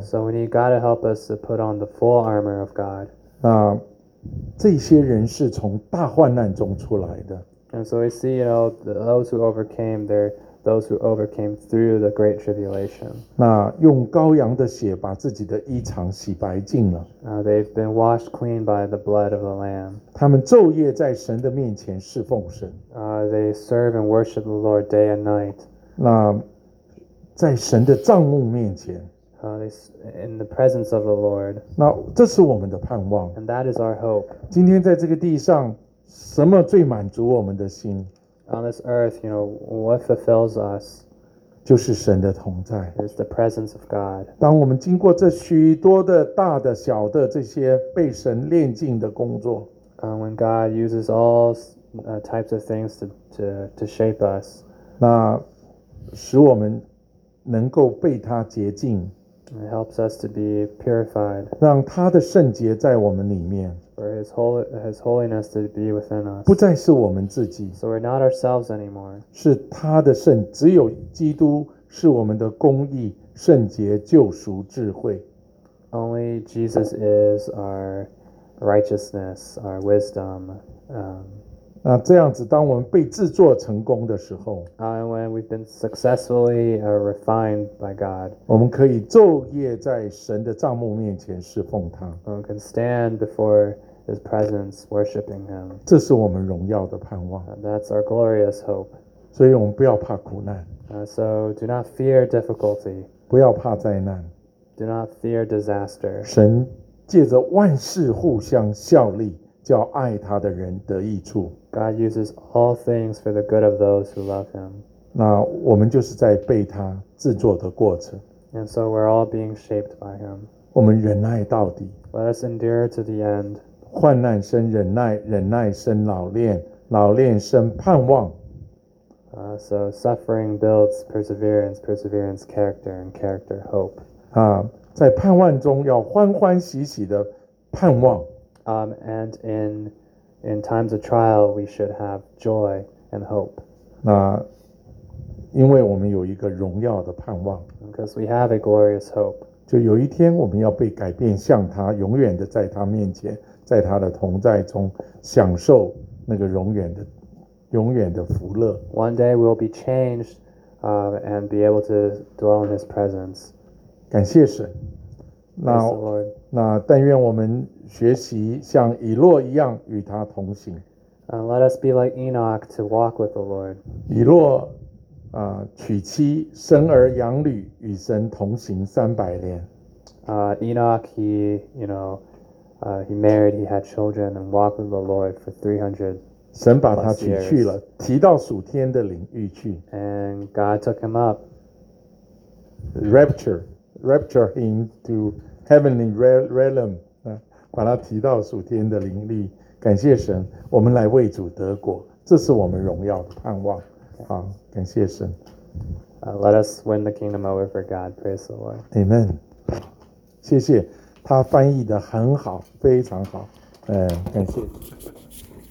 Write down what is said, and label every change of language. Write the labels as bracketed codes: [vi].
[en] So we need God to help us to put on the full armor of God. [zh] 那这些人是从大患难中出来的。 [en] And so we see, you know, those who overcame, they're those who overcame through the great tribulation. [zh] 那用羔羊的血把自己的衣裳洗白净了。 [en] They've been washed clean by the blood of the Lamb. [zh] 他们昼夜在神的面前侍奉神。 [en] They serve and worship the Lord day and night. [zh] 那在神的帐幕面前。 [en] In the presence of the Lord. [zh] 那这是我们的盼望。 [en] And that is our hope. [zh] 今天在这个地上，什么最满足我们的心？ [en] On this earth, you know, what fulfills us? [zh] 就是神的同在。 [en] It's the presence of God. [zh] 当我们经过这许多的大的小的这些被神炼净的工作。 [en] When God uses all types of things to shape us. [zh] 那使我们能够被他洁净。 [en] It helps us to be purified. [zh] 让他的圣洁在我们里面。 [en] For his holiness to be within us. [zh] 不再是我们自己。 [en] So we're not ourselves anymore. [zh] 是他的圣，只有基督是我们的公义、圣洁、救赎、智慧。 [en] Only Jesus is our righteousness, our wisdom. [zh] 那这样子，当我们被制作成功的时候 [en] ，When we've been successfully refined by God， [zh] 我们可以昼夜在神的帐幕面前侍奉他。 [en] We can stand before His presence, worshiping Him。 [zh] 这是我们荣耀的盼望。 [en] That's our glorious hope。 [zh] 所以我们不要怕苦难。 [en] So do not fear difficulty。 [zh] 不要怕灾难。 [en] Do not fear disaster。 [zh] 神借着万事互相效力。叫爱他的人得益处。 [en] God uses all things for the good of those who love Him. [zh] 那我们就是在被他制作的过程。 [en] And so we're all being shaped by Him. [zh] 我们忍耐到底。 [en] Let us endure to the end. [zh] 患难生忍耐，忍耐生老练，老练生盼望。 [en] So suffering builds perseverance, perseverance character, and character hope. [zh] 在盼望中要欢欢喜喜的盼望。 [en] And in times of trial, we should have joy and hope. [zh] 那因为我们有一个荣耀的盼望。 [en] Because we have a glorious hope. [zh] 就有一天我们要被改变，像他，永远的在他面前，在他的同在中，享受那个永远的福乐。 [en] One day we'll be changed, and be able to dwell in His presence. [zh] 感谢神。那但愿我们学习像以诺一样与他同行。 [en] Let us be like Enoch to walk with the Lord. [zh] 以诺娶妻生儿养女与神同行300年。 [en] Enoch, he married, he had children and walked with the Lord for 300 years. [zh] 神把他娶去了，提到属天的领域去。 [en] And God took him up. Rapture him to heavenly realm. [zh] 把他提到属天的灵力。感谢神，我们来为主得果，这是我们荣耀的盼望。好，感谢神。 [en] Let us win the kingdom over for God. Praise the Lord. Amen. [zh] 谢谢，他翻译的很好，非常好。感谢。